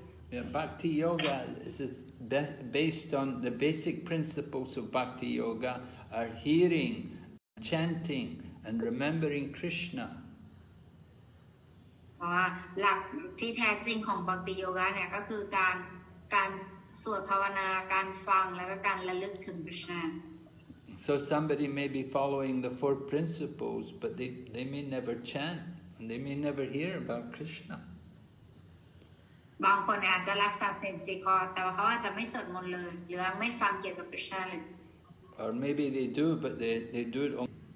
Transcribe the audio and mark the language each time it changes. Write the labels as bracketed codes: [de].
[en] Yeah, bhakti yoga is based on the basic principles of bhakti yoga are hearing, chanting, and remembering Krishna. [th] เพราะว่าหลักที่แท้จริงของบักติโยคะเนี่ยก็คือการสวดภาวนาการฟังแล้วก็การระลึกถึงพระชา [en] So somebody may be following the four principles but they may never chant and they may never hear about Krishna [th] บางคนอาจจะรักษาศีลสี่ข้อแต่ว่าเขาอาจจะไม่สวดมนต์เลยหรือไม่ฟังเกี่ยวกับพระชาเลย [en] Or maybe they do but they do it only